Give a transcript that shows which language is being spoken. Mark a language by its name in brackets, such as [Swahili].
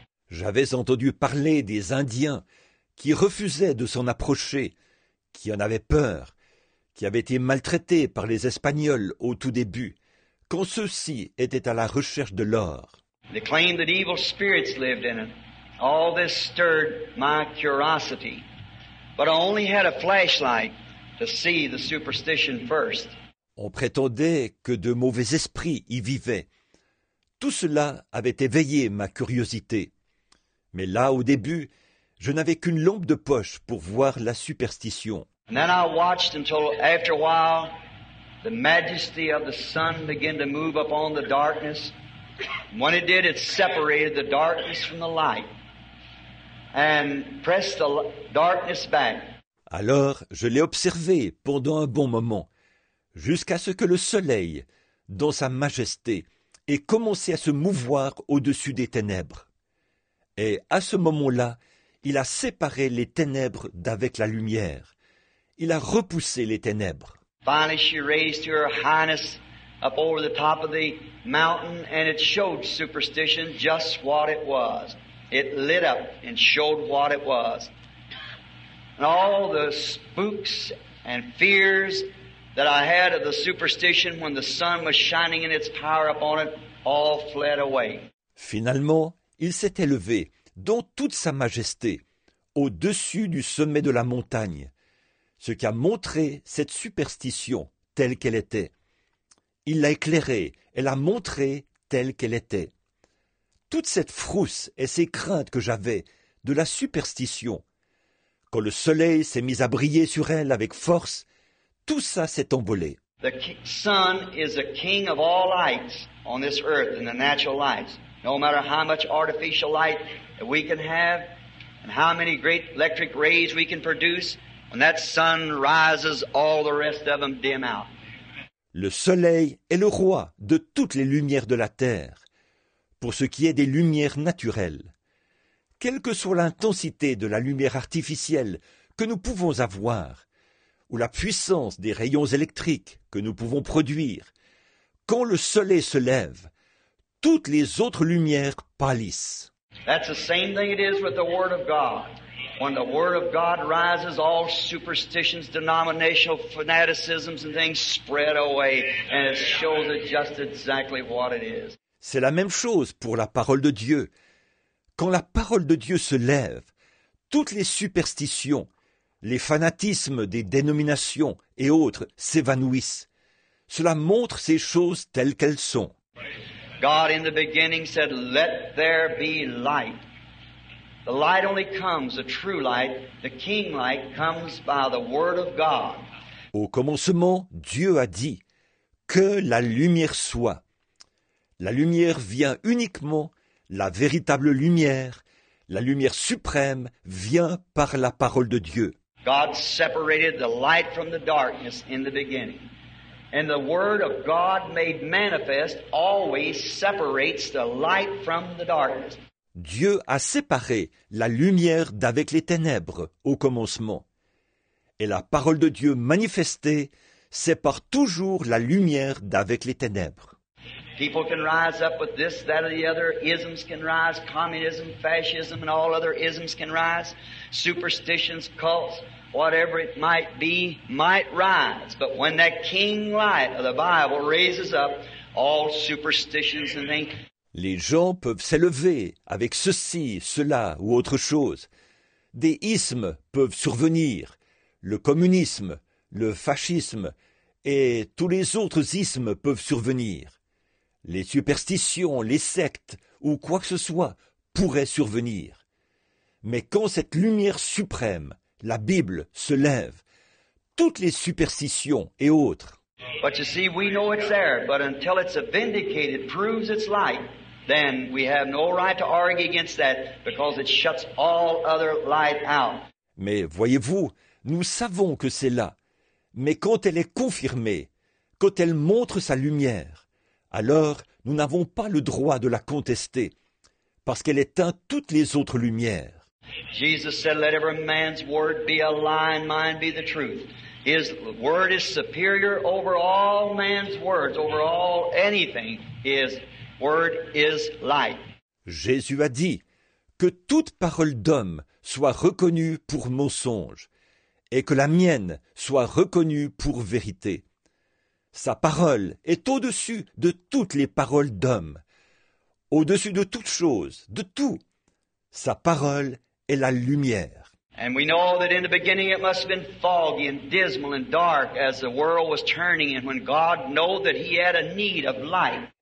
[French] J'avais entendu parler des Indiens qui refusaient de s'en approcher, qui en avaient peur, qui avaient été maltraités par les Espagnols au tout début, quand ceux-ci étaient à la recherche de l'or. [English] They claimed that evil spirits lived in it. All this stirred my curiosity, but I only had a flashlight to see the superstition first. [French] On prétendait que de mauvais esprits y vivaient. Tout cela avait éveillé ma curiosité. Mais là, au début, je n'avais qu'une lampe de poche pour voir la superstition. [English] And then I watched until after a while the majesty of the sun began to move up on the darkness. When it did, it separated the darkness from the light and pressed the darkness back. [French] Alors, je l'ai observé pendant un bon moment, jusqu'à ce que le soleil, dans sa majesté, ait commencé à se mouvoir au-dessus des ténèbres. Et à ce moment-là, il a séparé les ténèbres d'avec la lumière. Il a repoussé les ténèbres. [English] Finally, she raised her highness up over the top of the mountain, and it showed superstition just what it was. It lit up and showed what it was. And all the spooks and fears that I had of the superstition when the sun was shining in its power upon it all fled away. [French] Finalement, il s'est élevé dans toute sa majesté au-dessus du sommet de la montagne, ce qui a montré cette superstition telle qu'elle était. Il l'a éclairée et l'a montrée telle qu'elle était. Toute cette frousse et ces craintes que j'avais de la superstition, quand le soleil s'est mis à briller sur elle avec force, tout ça s'est envolé. [English] The sun is the king of all lights on this earth in the natural lights. No matter how much artificial light that we can have and how many great electric rays we can produce, when that sun rises, all the rest of them dim out. [French] Le soleil est le roi de toutes les lumières de la terre, pour ce qui est des lumières naturelles. Quelle que soit l'intensité de la lumière artificielle que nous pouvons avoir, ou la puissance des rayons électriques que nous pouvons produire, quand le soleil se lève, toutes les autres lumières pâlissent. [English] That's the same thing it is with the Word of God. When the Word of God rises, all superstitions, denominational fanaticisms and things spread away, and it shows it just exactly what it is. [French] C'est la même chose pour la parole de Dieu. Quand la parole de Dieu se lève, toutes les superstitions, les fanatismes des dénominations et autres s'évanouissent. Cela montre ces choses telles qu'elles sont. [English] God in the beginning said, let there be light. The light only comes, the true light, the king light comes by the word of God. [French] Au commencement, Dieu a dit, que la lumière soit. La lumière vient uniquement, la véritable lumière, la lumière suprême vient par la parole de Dieu. [English] God separated the light from the darkness in the beginning. And the word of God made manifest always separates the light from the darkness. [French] Dieu a séparé la lumière d'avec les ténèbres au commencement. Et la parole de Dieu manifestée sépare toujours la lumière d'avec les ténèbres. [English] People can rise up with this, that, or the other. Isms can rise, communism, fascism, and all other isms can rise. Superstitions, cults, whatever it might be, might rise. But when that king light of the Bible raises up, all superstitions and things. [French] Les gens peuvent s'élever avec ceci, cela ou autre chose. Des ismes peuvent survenir, le communisme, le fascisme et tous les autres ismes peuvent survenir. Les superstitions, les sectes ou quoi que ce soit pourraient survenir. Mais quand cette lumière suprême, la Bible, se lève, toutes les superstitions et autres. [English] But you see, we know it's there, but until it's vindicated, proves its light. Then we have no right to argue against that because it shuts all other light out. [French] Mais voyez-vous, nous savons que c'est là. Mais quand elle est confirmée, quand elle montre sa lumière, alors nous n'avons pas le droit de la contester parce qu'elle éteint toutes les autres lumières. [English] Jesus said, let every man's word be a lie and mine be the truth. His word is superior over all man's words, over all anything is word is light. [French] Jésus a dit que toute parole d'homme soit reconnue pour mensonge et que la mienne soit reconnue pour vérité. Sa parole est au-dessus de toutes les paroles d'homme, au-dessus de toute chose, de tout. Sa parole est la lumière. [English] And we know that in the beginning it must have been foggy and dismal and dark as the world was turning and when God knew that he had a need of light.